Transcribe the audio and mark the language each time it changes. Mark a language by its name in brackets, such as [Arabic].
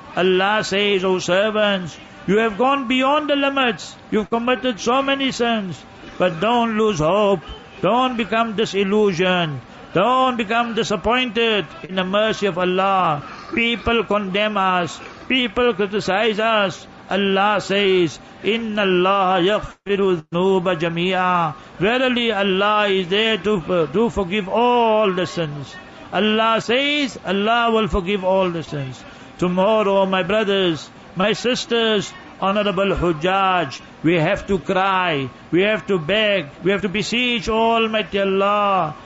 [English] Allah says, O servants, you have gone beyond the limits. You've committed so many sins. But don't lose hope. Don't become disillusioned. Don't become disappointed in the mercy of Allah. People condemn us. People criticize us. Allah says, [Arabic] إِنَّ اللَّهَ يَغْفِرُ الذُّنُوبَ جَمِيعًا. [English] Verily Allah is there to forgive all the sins. Allah says, Allah will forgive all the sins. Tomorrow, my brothers, my sisters, Honorable Hujjaj, we have to cry, we have to beg, we have to beseech Almighty Allah.